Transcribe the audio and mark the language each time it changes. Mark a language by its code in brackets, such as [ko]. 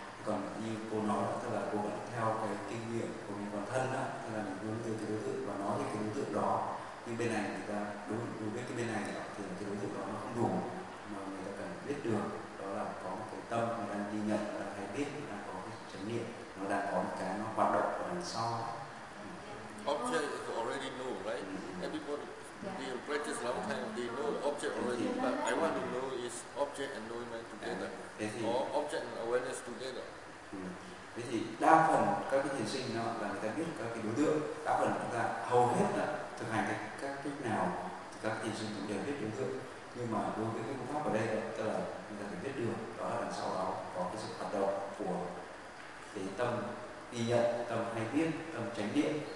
[vi] Còn như cô nói đó, tức là cô vẫn theo cái kinh nghiệm của mình bản thân đó, tức là mình hướng tới cái đối tượng và nói về cái đối tượng đó. Nhưng bên này người ta đúng biết cái bên này thì cái đối tượng đó nó không đủ, mà người ta cần biết được đó là có một cái tâm người đang ghi nhận, người đang hay biết, người đang có cái chánh niệm, nó đang có một cái nó hoạt động ở đằng sau. [en] Object already know, right? Mm-hmm. Everybody, the practice long time, they know the object already. Mm-hmm. But I want to know is object and knowing together, or object and awareness together. Mm-hmm. [vi] Thế thì đa phần các cái thiền sinh đó là người ta biết các cái đối tượng. Đa phần chúng ta hầu hết là thực hành các cái nào thì các thiền sinh cũng đều biết đối tượng. Nhưng mà đối với cái phương pháp ở đây, tức là người ta phải biết được đó là đằng sau đó có cái sự hoạt động của cái tâm ghi nhận, tâm hay biết, tâm chánh niệm.